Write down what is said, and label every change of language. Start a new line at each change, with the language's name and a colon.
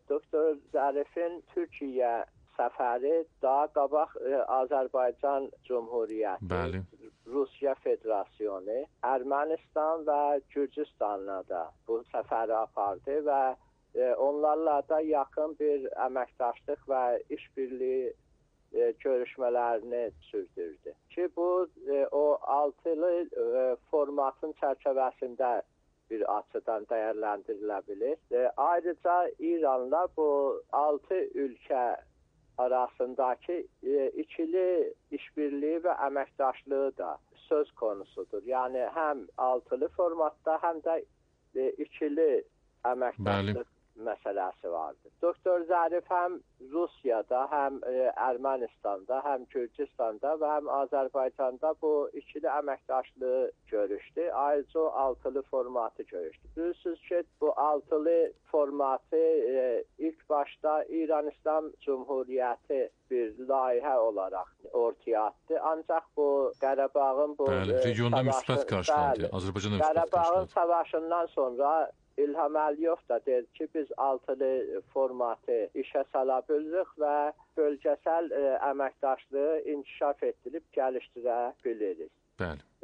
Azerbaijani: Doktor Zərifin Türkiyə səfəri daha qabaq Azərbaycan Cumhuriyyəti, bəli, Rusiya Federasiyonu, Ermənistan və Gürcüstanla da bu səfəri apardı və onlarla da yaxın bir əməkdaşlıq və işbirliyi
Turkish: görüşmelerini sürdürdü. Ki bu o altılı formatın çerçevesinde bir açıdan değerlendirilebilir. Ayrıca İran'la bu altı ülke arasındaki ikili işbirliği ve emektaşlığı da söz konusudur. Yani hem altılı formatta hem de ikili emektaşlık meselesi vardır. Doktor Zarif hem Rusya'da, hem Ermenistan'da, hem Kürcistan'da ve hem Azerbaycan'da bu ikili emektaşlığı görüştü. Ayrıca o altılı formatı görüştü. Bilirsiniz ki bu altılı formatı ilk başta İran İslam Cumhuriyeti bir layihə olarak ortaya attı.
Azerbaijani: Ancak bu Qarabağın bu regionda müsbət qarşılandı. Azerbaycan'da müsbət qarşılandı. Qarabağın savaşından sonra İlham Əliyev da dedi ki, biz altılı formatı işə sala bildik və bölgəsəl əməkdaşlığı inkişaf etdirib gəlişdirə bilirik. Bəli.